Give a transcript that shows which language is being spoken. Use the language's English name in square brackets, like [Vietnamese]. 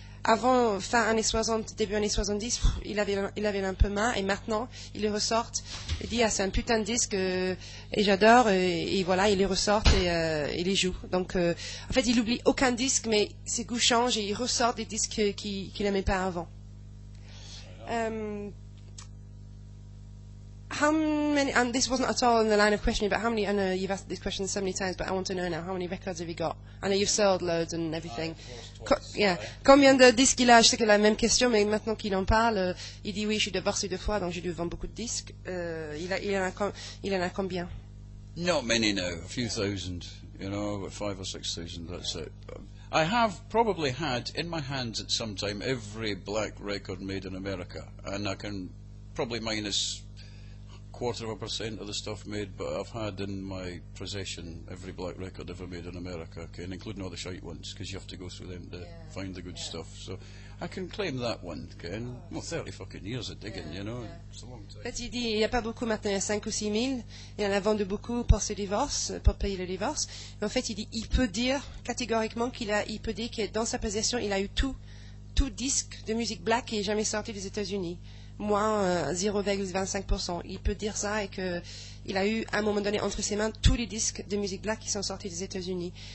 [French] Avant, fin années 60, début années 70, il avait un peu main, et maintenant, il les ressort, il dit, ah, c'est un putain de disque, et j'adore, et voilà, il les ressort, et il les joue. Donc, en fait, il oublie aucun disque, mais ses goûts changent, et il ressort des disques qu'il n'aimait pas avant. [English] And this wasn't at all in the line of questioning, but how many, I know you've asked this question so many times, but I want to know now, how many records have you got? I know you've sold loads and everything. [French] Combien de disques il a? Je sais que la même question, mais maintenant qu'il en parle, il dit oui, je suis divorcé 2 fois, donc j'ai dû vendre beaucoup de disques. Il en a combien? [English] Not many now, a few thousand, you know, 5,000 or 6,000, that's it. I have probably had in my hands at some time every black record made in America, and I can probably minus 0.25% of the stuff made, but I've had in my possession every black record ever made in America, okay, and including all the shite ones, because you have to go through them to find the good stuff. So I can claim that one, okay, and, well, 30 fucking years of digging, you know. It's a long time. [French] En fait, il dit, il n'y a pas beaucoup maintenant, il y a 5 ou 6 000, et il en a vendu beaucoup pour ce divorce, pour payer le divorce. En fait, il dit, il peut dire catégoriquement qu'il peut dire que dans sa possession, il a eu tout disque de musique black qui n'est jamais sorti des États-Unis. Moins 0,25%. Il peut dire ça et qu'il a eu à un moment donné entre ses mains tous les disques de musique black qui sont sortis des États-Unis.